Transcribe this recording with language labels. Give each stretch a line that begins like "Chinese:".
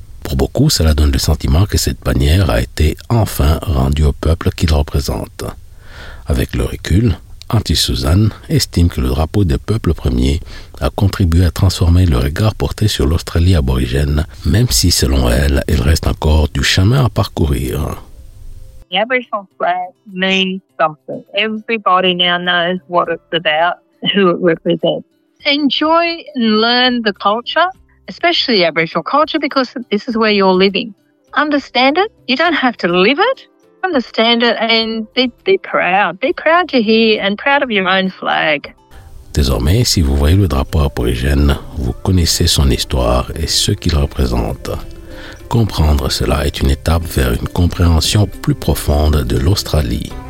French: Pour beaucoup, cela donne le sentiment que cette bannière a été enfin rendue au peuple qu'il représente. Avec le recul, Auntie Suzanne estime que le drapeau des peuples premiers a contribué à transformer le regard porté sur l'Australie aborigène, même si, selon elle, il reste encore du chemin à parcourir.
English: The Aboriginal flag means something. Everybody now knows what it's about, who it represents. Enjoy and learn the culture, especially Aboriginal culture, because this is where you're living. Understand it. You don't have to live it. Understand it and be proud. Be proud you're here and proud of your own flag.
French: Désormais, si vous voyez le drapeau aborigène, vous connaissez son histoire et ce qu'il représente. Comprendre cela est une étape vers une compréhension plus profonde de l'Australie.